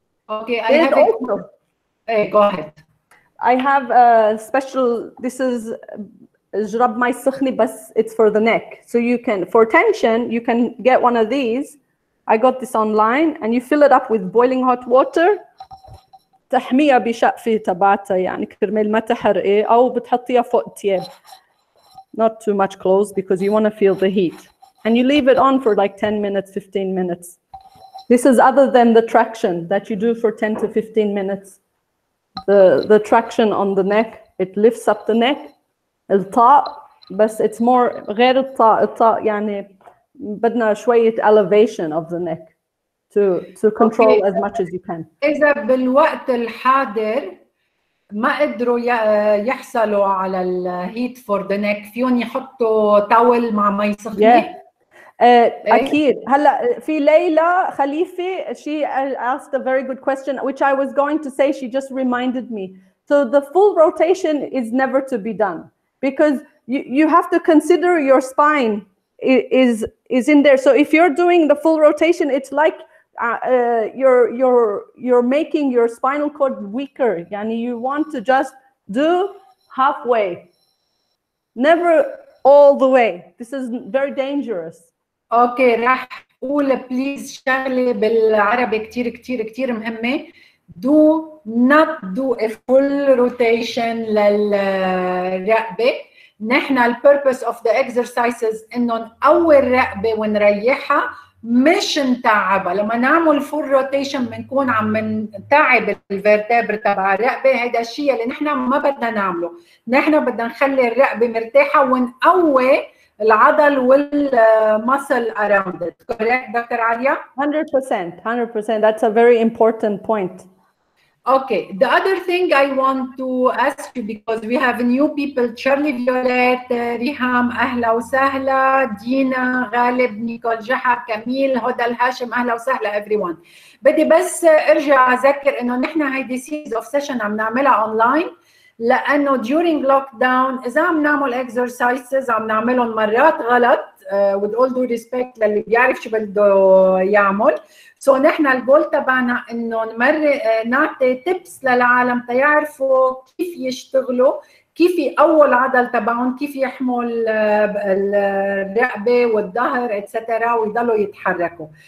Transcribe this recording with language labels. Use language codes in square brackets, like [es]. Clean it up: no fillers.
[en] Okay, I have also, go ahead. I have a special, this is [ar] Jrab Mai Sikhni, [en] but it's for the neck. So you can, for tension, you can get one of these. I got this online, and you fill it up with boiling hot water. [ar] تحميها بشقفة تبعتها يعني كرمال ما تحرقي أو بتحطيها فوق تياب. [en] Not too much clothes, because you want to feel the heat. And you leave it on for like 10 minutes, 15 minutes. This is other than the traction that you do for 10 to 15 minutes. The traction on the neck, it lifts up the neck. [ar] الطاق, بس [en] it's more [ar] غير الطاق. الطاق يعني بدنا شوية [en] elevation of the neck to control [ar] okay. as much as you can. إذا بالوقت الحاضر ما قدروا يحصلوا على الـ [en] heat for the neck [ar] فيهم يحطوا تاول مع مي سخنة [en] yeah. [ar] أكيد هلأ [en] في ليلى خليفة she asked a very good question which I was going to say she just reminded me so the full rotation is never to be done because you have to consider your spine is in there. So if you're doing the full rotation, it's like you're making your spinal cord weaker. Yani you want to just do halfway, never all the way. This is very dangerous. [ar] Okay, راح أقول please شغلي بالعربي كتير كتير كتير مهمة. [en] Do not do a full rotation [ar] للرقبة. نحنا [en] the purpose of the exercises [ar] إنه نقوي الرقبة ونريحها مش نتعبها. لما نعمل [en] full rotation [ar] بنكون عم نتعب الفيرتابر تبع الرقبة. هذا الشيء اللي نحنا ما بدنا نعمله. نحنا بدنا نخلي الرقبة مرتاحة ونقوي العضل والمسل [en] around it. Correct, doctor عليا؟ 100%, 100%. That's a very important point. Okay, the other thing I want to ask you, because we have new people, Charlie Violet, Riham, Ahla Wasahla, Dina, Ghalib, Nicole Jahar, Camille, Hoda Al-Hashim, Ahla Wasahla, everyone. [ar] بدي بس ارجع اذكر انه نحن هيدي [en] series of session [ar] عم نعملها online, لانه [en] during lockdown [ar] اذا عم نعمل exercises عم نعملهم مرات غلط, [en] with all due respect [ar] للي بيعرف شو بده يعمل. So نحن الجول تبعنا انه نعطي tips للعالم تيعرفوا كيف يشتغلوا, كيف يقوى العضل تبعهم, كيف يحموا الرقبة والظهر اتسترا ويضلوا يتحركوا.